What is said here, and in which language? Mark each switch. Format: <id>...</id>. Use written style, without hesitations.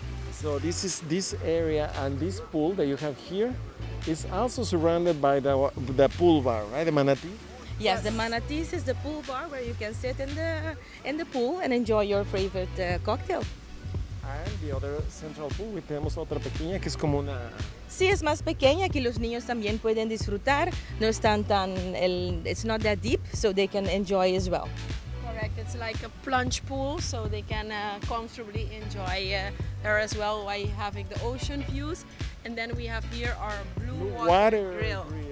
<en>So this is this area, and this pool that you have here is also surrounded by the pool bar, right, the manatee? Yes, the manatees is the pool bar where you can sit in the pool and enjoy your favorite cocktail. And the other central pool, we</en> <es>tenemos otra pequeña que es como una... Sí, es más pequeña, que los niños también pueden disfrutar. No están tan...</es> <en>it's not that deep, so they can enjoy as well. Correct, it's like a plunge pool, so they can comfortably enjoy there as well while having the ocean views. And then we have here our blue water grill.</en>